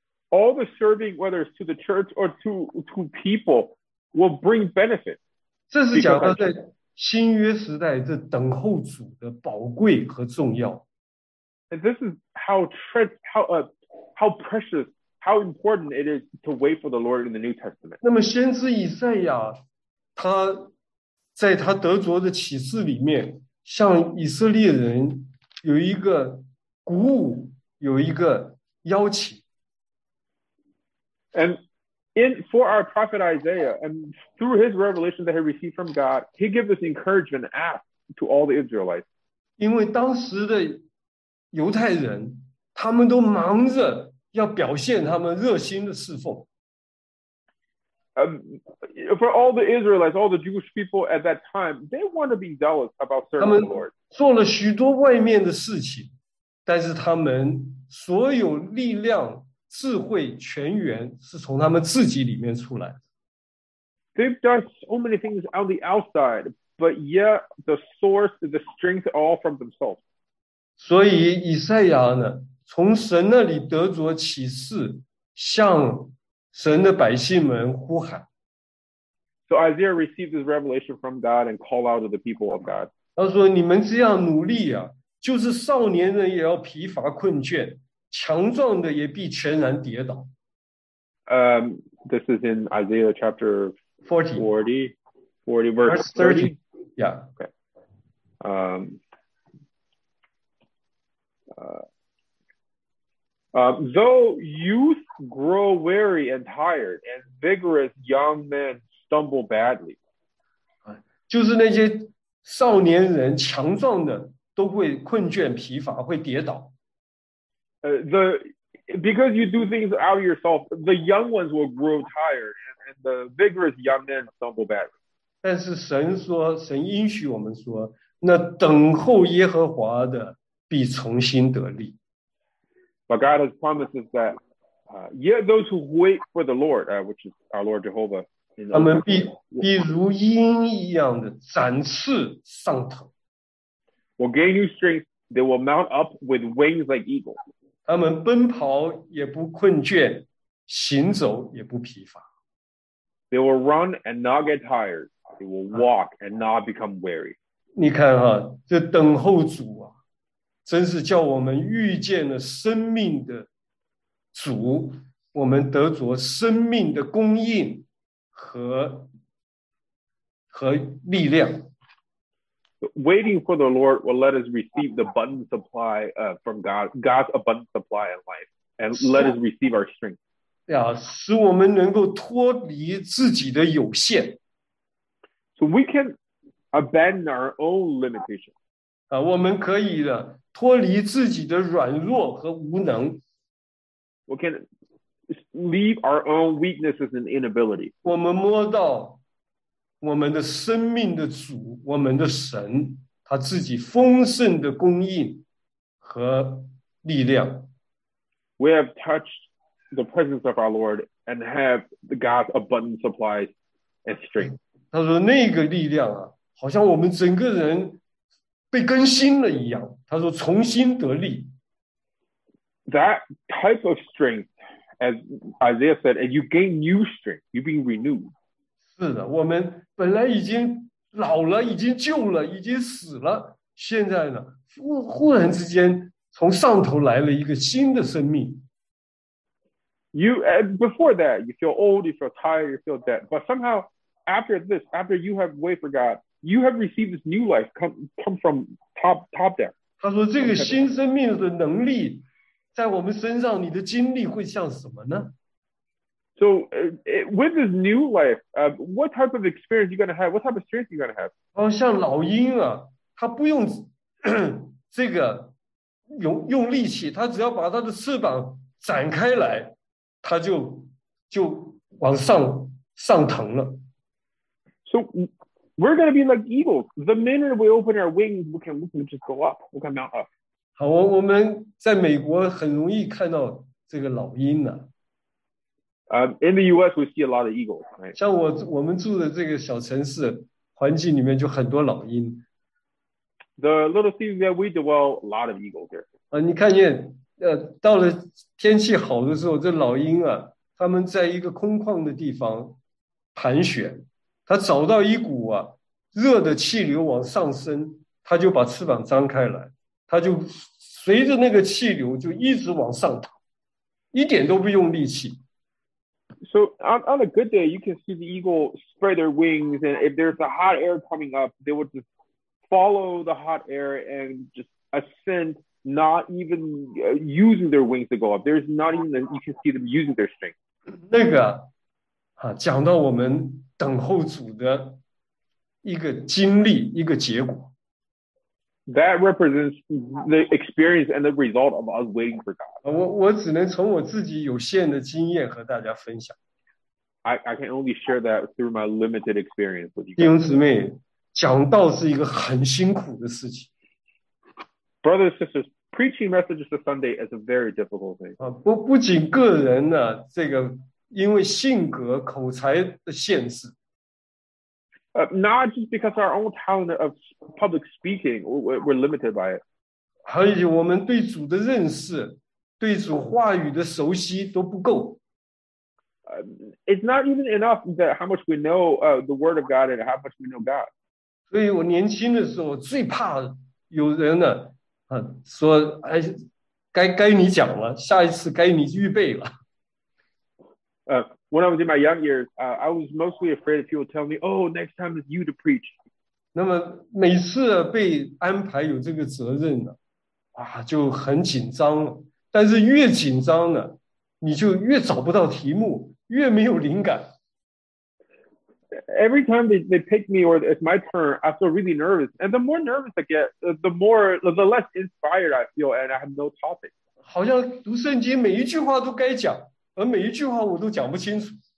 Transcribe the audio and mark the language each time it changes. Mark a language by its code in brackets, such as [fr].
[en] All the serving, whether it's to the church or to people, will bring benefit. [zh] 这是讲到在新约时代这等候主的宝贵和重要。 [en] And this is how precious, how important it is to wait for the Lord in the New Testament. [zh] 那么先知以赛亚，他在他得着的启示里面，向以色列人有一个鼓舞，有一个邀请。 [en] And for our prophet Isaiah, and through his revelation that he received from God, he gives us encouragement to ask to all the Israelites. [zh] 因为当时的犹太人他们都忙着要表现他们热心的侍奉。 [en] For all the Israelites, all the Jewish people at that time, they want to be zealous about serving the Lord. [zh] 他们做了许多外面的事情，但是他们所有力量、智慧、全源是从他们自己里面出来。 [en] They've done so many things on the outside, but yet the source, the strength, all from themselves. [zh] 所以以赛亚呢，从神那里得着启示，向神的百姓们呼喊。 [en] So Isaiah received this revelation from God and called out to the people of God. [zh] 他说：“你们这样努力啊，就是少年人也要疲乏困倦，强壮的也必全然跌倒。” [en] This is in Isaiah chapter 40 verse 30. Yeah. Okay. Though youth grow weary and tired, and vigorous young men stumble badly. [zh] 就是那些少年人强壮的都会困倦疲乏，会跌倒。 [en] Because you do things out of yourself, the young ones will grow tired, and the vigorous young men stumble badly. [zh] 但是神说，神应许我们说，那等候耶和华的必重新得力。 [en] But God has promises that yet those who wait for the Lord, which is our Lord Jehovah, [zh] 他们必如鹰一样的展翅上腾。 [en] Will gain new strength. They will mount up with wings like eagles. [zh] 他们奔跑也不困倦，行走也不疲乏。 [en] They will run and not get tired. They will walk and not become weary. [zh] 你看哈，这等候主啊，真是叫我们遇见了生命的主，我们得着生命的供应和力量。 [en] Waiting for the Lord will let us receive the abundant supply from God, God's abundant supply in life, and let us receive our strength. [zh] 使我们能够脱离自己的有限。 [en] So we can abandon our own limitations. [zh] 我们可以的脱离自己的软弱和无能。 [en] We can leave our own weaknesses and inability. [zh] 我们摸到我们的生命的主，我们的神，他自己丰盛的供应和力量。 [en] We have touched the presence of our Lord and have God's abundant supplies and strength. [zh] 他说那个力量啊，好像我们整个人被更新了一样，他说重新得力。 [en] That type of strength, as Isaiah said, and you gain new strength, you being renewed. [zh] 是的，我们本来已经老了，已经旧了，已经死了，现在呢，忽然之间从上头来了一个新的生命。 [en] You, and before that, you feel old, you feel tired, you feel dead, but somehow after this, after you have waited for God,You have received this new life come from top down. [zh] 他说这个新生命的能力在我们身上，你的经历会像什么呢？ [en] So with this new life, what type of experience you going to have? What type of strength you going to have? [zh] 像老鹰啊，他不用这个用力气，他只要把他的翅膀展开来，他就往上腾了。 [en] So,We're going to be like eagles. The minute we open our wings, we can just go up. We can mount up. [zh] 好，我们在美国很容易看到这个老鹰呢。 [en] In the U.S., we see a lot of eagles. Right? [zh] 像我们住的这个小城市，环境里面就很多老鹰。 [en] The little city that we dwell, a lot of eagles here. [zh] 你看见到了天气好的时候，这老鹰啊，他们在一个空旷的地方盘旋。他找到一股啊热的气流往上升，他就把翅膀张开来，他就随着那个气流就一直往上跑，一点都不用力气。 [en] So on a good day, you can see the eagle spread their wings, and if there's a hot air coming up, they would just follow the hot air and just ascend, not even using their wings to go up. There's not even that you can see them using their strength. [zh] 那个啊，讲到我们。等候主的一个经历，一个结果。 [en] That represents the experience and the result of us waiting for God. [zh] 我只能从我自己有限的经验和大家分享。 [en] I can only share that through my limited experience with you guys. [zh] 弟兄姊妹，讲道是一个很辛苦的事情。 [en] Brothers and sisters, preaching messages to Sunday is a very difficult thing. [zh] 不仅个人呢，这个因为性格、口才的限制。 [en] Not just because our own talent of public speaking, we're limited by it. [zh] 还有我们对主的认识，对主话语的熟悉都不够。 [en] It's not even enough that how much we know the word of God and how much we know God. [zh] 所以我年轻的时候最怕有人呢，说，哎，该你讲了，下一次该你预备了。 [en] When I was in my young years, I was mostly afraid that people would tell me, oh, next time it's you to preach. [zh] 那么每次被安排有这个责任呢，就很紧张了。但是越紧张呢，你就越找不到题目，越没有灵感。 [en] Every time they pick me or it's my turn, I feel really nervous. And the more nervous I get, the less inspired I feel and I have no topic. [zh] 好像读圣经每一句话都该讲。而每一句话我都讲不清楚。